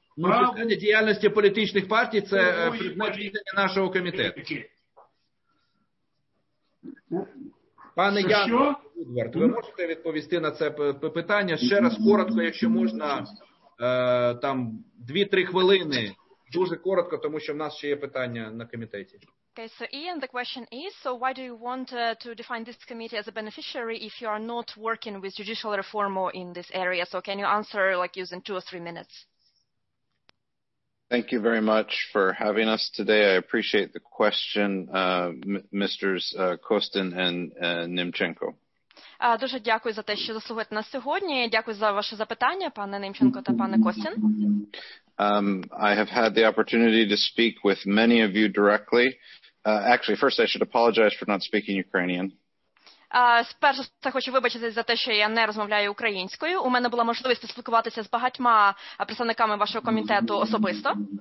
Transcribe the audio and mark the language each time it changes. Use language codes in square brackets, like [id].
[uk] Питання діяльності політичних партій – це предмет відання нашого комітету. Пане Ядвард, ви можете відповісти на це питання ще раз коротко, якщо можна, там 2-3 хвилини, дуже коротко, тому що в нас ще є питання на комітеті. [en] Okay, so Ian, the question is, so why do you want to define this committee as a beneficiary if you are not working with judicial reform or in this area? So can you answer like using 2 or 3 minutes? Thank you very much for having us today. I appreciate the question, Mr. Костин and Немченко. [uk] Дуже дякую за те, що заслуговуєте нас сьогодні. Дякую за ваше запитання, пане Немченко та пане Костин. [en] I have had the opportunity to speak with many of you directly. Actually, first I should apologize for not speaking Ukrainian. [uk] Спершу я хочу вибачитися за те, що я не розмовляю українською. У мене була можливість поспілкуватися з багатьма представниками вашого комітету особисто.